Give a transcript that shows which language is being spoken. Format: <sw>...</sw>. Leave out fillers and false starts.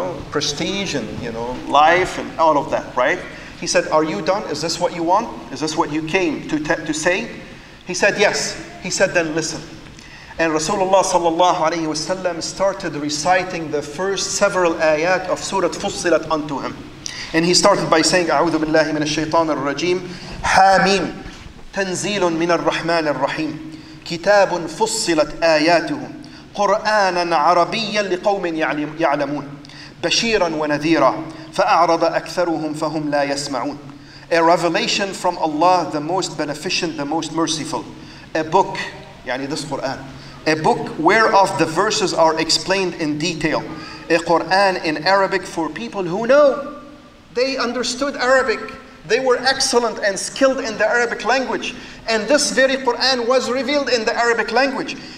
<en>Prestige and life and all of that, right? He said, are you done? Is this what you want? Is this what you came to say? He said, yes. He said, then listen. And Rasulullah sallallahu alayhi wasallam started reciting the first several ayat of Surah Fussilat unto him. And he started by saying,</en> <ar>أعوذ بالله من الشيطان الرجيم حاميم تنزيل من الرحمن الرحيم كتاب فصلت آياته قرآنا عربيا لقوم يعلمون بشيرا ونذيرا فأعرض أكثرهم فهم لا يسمعون.</ar> <en>A revelation from Allah, the most beneficent, the most merciful. A book, this Quran. A book whereof the verses are explained in detail. A Quran in Arabic for people who know. They understood Arabic. They were excellent and skilled in the Arabic language. And this very Quran was revealed in the Arabic language.</en>